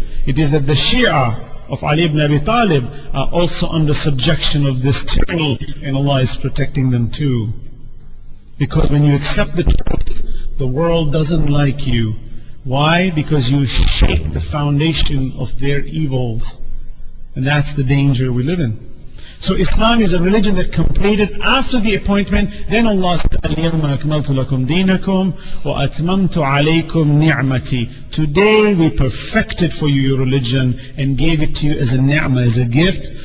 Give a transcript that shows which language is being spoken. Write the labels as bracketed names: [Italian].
[English] It is that the Shia of Ali ibn Abi Talib are also under subjection of this tyranny, and Allah is protecting them too. Because when you accept the truth, the world doesn't like you. Why? Because you shake the foundation of their evils. And that's the danger we live in. So Islam is a religion that completed after the appointment. Then Allah said, [Arabic] أَلْيَوْمَ أَكْمَلْتُ لَكُمْ دِينَكُمْ وَأَتْمَمْتُ عَلَيْكُمْ نِعْمَتِي. [English] Today we perfected for you your religion and gave it to you as a ni'mah, as a gift.